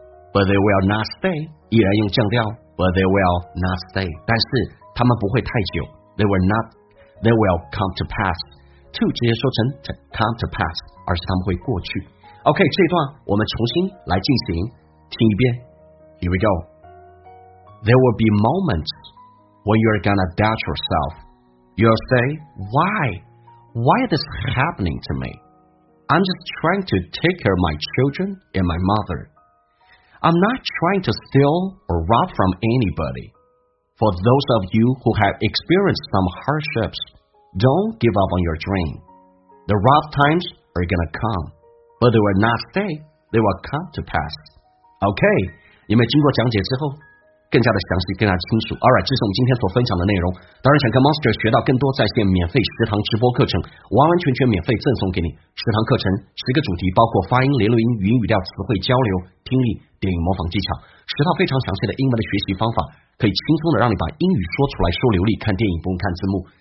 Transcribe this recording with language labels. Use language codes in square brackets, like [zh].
[en] But they will not stay， [zh] 依然用降调。 [en] But they will not stay， [zh] 但是他们不会太久。 [en] They will not， they will come to pass， to [zh] 直接说成 [en] to come to pass， [zh] 而是他们会过去。 OK， 这段我们重新来进行听一遍。 [en] Here we go。 There will be moments when you're gonna doubt yourself. You'll say, why? Why is this happening to me? I'm just trying to take care of my children and my mother. I'm not trying to steal or rob from anybody. For those of you who have experienced some hardships, don't give up on your dream. The rough times are gonna come, but they will not stay, they will come to pass. [zh] OK, 你们经过讲解之后更加的详细，更加的清楚。 Alright， 这是我们今天所分享的内容。当然想跟 Monster 学到更多在线免费食堂直播课程，完完全全免费赠送给你。食堂课程十个主题，包括发音、连录音、语音语调、词汇交流、听力、电影模仿技巧，十套非常详细的英文的学习方法，可以轻松的让你把英语说出来，说流利，看电影不用看字幕。